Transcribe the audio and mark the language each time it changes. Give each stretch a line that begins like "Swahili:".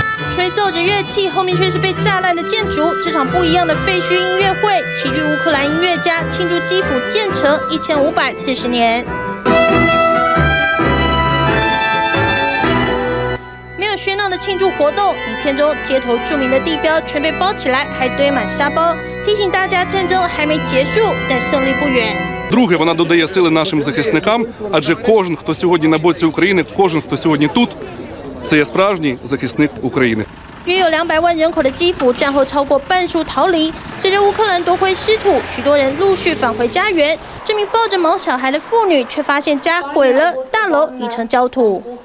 Chinese: 吹奏着乐器，后面却是被炸烂的建筑。这场不一样的废墟音乐会，齐聚乌克兰音乐家庆祝基辅建成1540年。没有喧闹的庆祝活动，影片中街头著名的地标全被包起来，还堆满沙包，提醒大家战争还没结束，但胜利不远。
Ukrainian: Друге, вона додає сили нашим захисникам, адже кожен, хто сьогодні на боці України, кожен, хто сьогодні тут。
Chinese: 这是真正的保护者乌克兰。约有200万人口的基辅，战后超过半数逃离。随着乌克兰夺回失土，许多人陆续返回家园。这名抱着毛小孩的妇女，却发现家毁了，大楼已成焦土。